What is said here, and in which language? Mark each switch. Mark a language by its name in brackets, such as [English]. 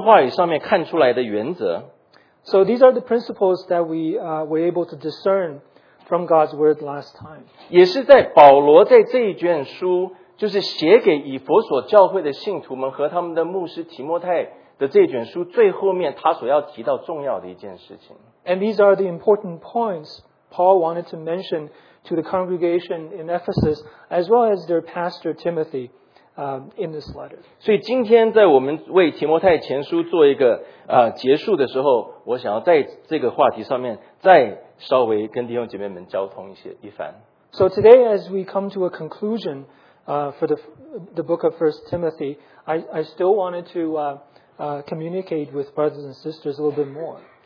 [Chinese] 所以这些是我们上回从神的话语上面看出来的原则。 [English] So these are the principles that we were able to discern from God's word last time. [Chinese] 也是在保罗在这一卷书, 就是写给以弗所教会的信徒们和他们的牧师提摩太的这卷书最后面, 他所要提到重要的一件事情。 [English] And these are the important points Paul wanted to mention to the congregation in Ephesus, as well as their pastor Timothy, in this letter. [Chinese] 所以今天在我们为提摩太前书做一个, 结束的时候, 我想要在这个话题上面再稍微跟弟兄姐妹们交通一些一番。 [English] So today, as we come to a conclusion, for the book of 1 Timothy, I still wanted to communicate with brothers and sisters a little bit more.